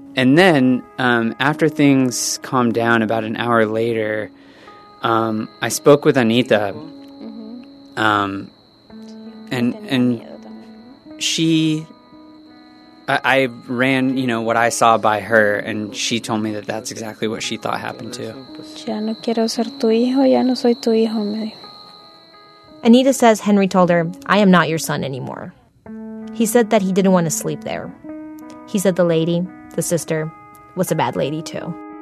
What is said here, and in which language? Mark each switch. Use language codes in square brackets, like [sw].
[en] And then, after things calmed down about an hour later, I spoke with Anita. And she... I ran, you know, what I saw by her, and she told me that that's exactly what she thought happened too. [es] Ya no quiero ser tu hijo, ya no soy tu hijo, me dijo. [en] Anita says Henry told her, I am not your son anymore. He said that he didn't want to sleep there. He said the lady, the sister, was a bad lady too.